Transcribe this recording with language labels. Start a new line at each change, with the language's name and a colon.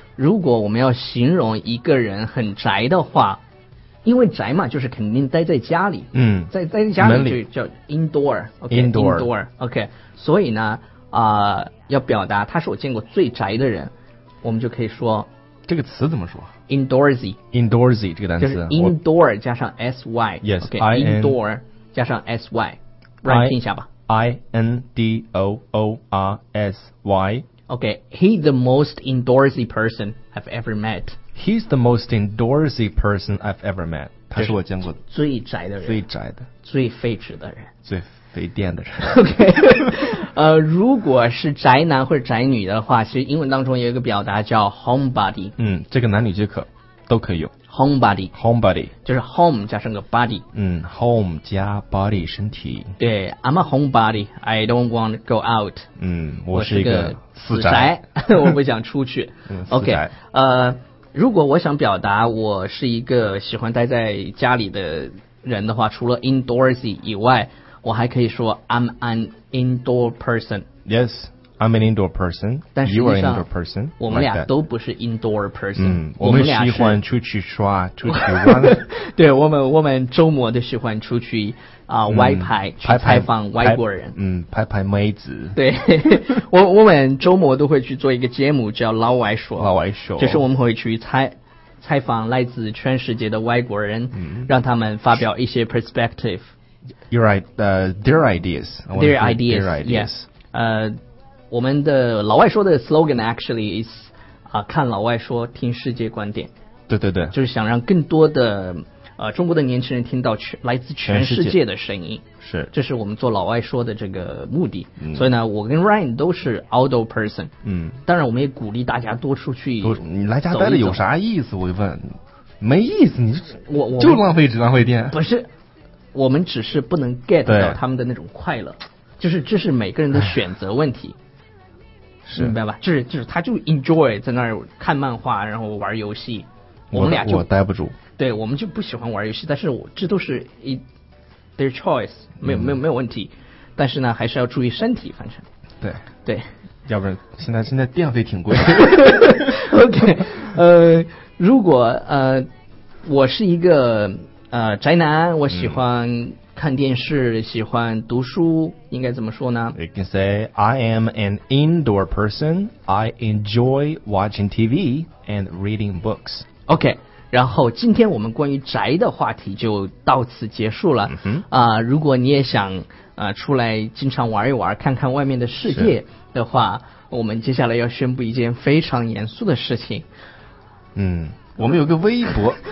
Chinese: 如果我们要形容一个人很宅的话，因为宅嘛，就是肯定待在家里，在家里就叫 indoor，OK, 所以呢，要表达他是我见过最宅的人，我们就可以说这个词怎么说
English: ？indoorsy
Chinese: 这个单词，就是 indoor 加上 sy，indoor 加上 sy， 让你听一下吧
English: ，indoorsy。 Okay, he's the most indoorsy person I've ever met. He's the most indoorsy person I've ever met.
Chinese: 他是我见过最宅的人，最宅的，最废纸的人，最费电的人。 Okay, 如果是宅男或者宅女的话，其实英文当中有一个表达叫 homebody。这个男女皆可，都可以用
English: homebody。 homebody
Chinese: 就是 home 加上个 body。 home 加 body 身体。
English: 对 ，I'm a homebody. I don't want to go out.
Chinese: 我是一个。死宅我不想出去。 OK, 如果我想表达我是一个喜欢待在家里的人的话，除了 indoorsy 以外，我还可以说
English: I'm an indoor person. Yes, I'm an indoor person. You are an indoor person.
Chinese: 我们俩都不是 indoor person. 我们喜欢出去刷，出去玩。对，我们周末都喜欢出去。外派去采访外国人，拍拍妹子。对，我们周末都会去做一个节目叫老外说，就是我们会去采访来自全世界的外国人，让他们发表一些 perspective。
English: You're right, their ideas, their ideas, yes.
Chinese: 我们的老外说的
English: slogan actually is
Chinese: 看老外说，听世界观点。对对对，就是想让更多的。中国的年轻人听到来自全世界的声音，是，这是我们做老外说的这个目的。所以呢，我跟 Ryan 都是 outdoor person。当然我们也鼓励大家多出去走走。你来家待的有啥意思？我就问，没意思，你我就浪费纸浪费电。不是，我们只是不能 get 到他们的那种快乐，就是这是每个人的选择问题。是，明白吧？就是他就 enjoy 在那儿看漫画，然后玩游戏。我们俩就我待不住。对，我们就不喜欢玩游戏，但是我这都是
English: their choice,
Chinese: 没有问题，但是呢还是要注意身体，反正对对，要不然现在电费挺贵的。 OK, 如果我是一个宅男，我喜欢看电视，喜欢读书，应该怎么说呢？
English: You can say, I am an indoor person. I enjoy watching TV and reading books.
Chinese: OK, 然后今天我们关于宅的话题就到此结束了。 Mm-hmm. 如果你也想出来经常玩一玩，看看外面的世界的话，我们接下来要宣布一件非常严肃的事情。嗯，我们有个微博